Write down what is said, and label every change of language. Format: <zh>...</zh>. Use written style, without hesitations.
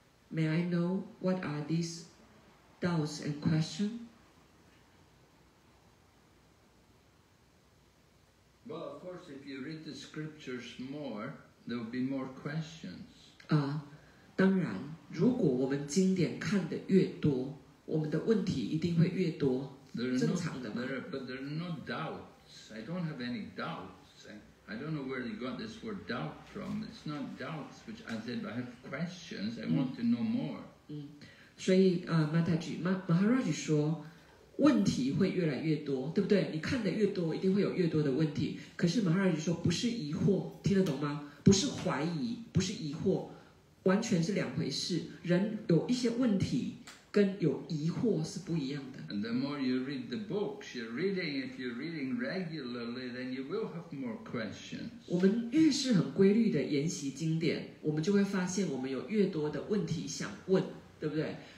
<en>May I know what are these doubts and questions? Well, of course, if you read the scriptures more, there will be more questions.</en> <zh>当然，如果我们经典看得越多，我们的问题一定会越多。正常的嘛。</zh> <en>But there are no doubts. I don't have any doubts. I don't know where you got this word doubt from. It's not doubts, which I said, I have questions. I want to know more.</en> <zh>所以Mataji, Maharaj 说问题会越来越多，对不对？你看的越多，一定会有越多的问题。可是马哈拉吉说，不是疑惑，听得懂吗？不是怀疑，不是疑惑，完全是两回事。人有一些问题跟有疑惑是不一样的。</zh> <en>And the more you read the books you're reading, if you're reading regularly, then you will have more questions.</en> <zh>我们越是很规律的研习经典，我们就会发现我们有越多的问题想问，对不对？</zh>